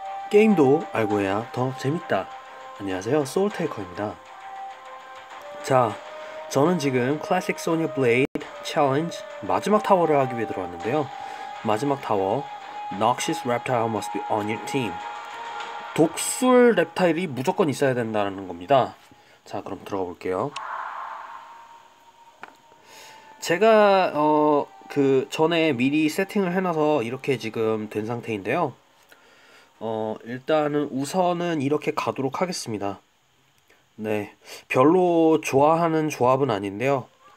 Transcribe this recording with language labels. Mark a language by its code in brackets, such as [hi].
[ko] 게임도 알고 해야 더 재밌다. 안녕하세요, 소울테이커입니다. 자, 저는 지금 클래식 소니어 블레이드 챌린지 마지막 타워를 하기 위해 들어왔는데요. 마지막 타워, [en] Noxious Reptile must be on your team. [ko] 독수리 렙타일이 무조건 있어야 된다는 겁니다. 자, 그럼 들어가 볼게요. 제가 그 전에 미리 세팅을 해놔서 이렇게 지금 된 상태인데요. 일단은 우선은 이렇게 가도록 하겠습니다. 네, 별로 좋아하는 조합은 아닌데요.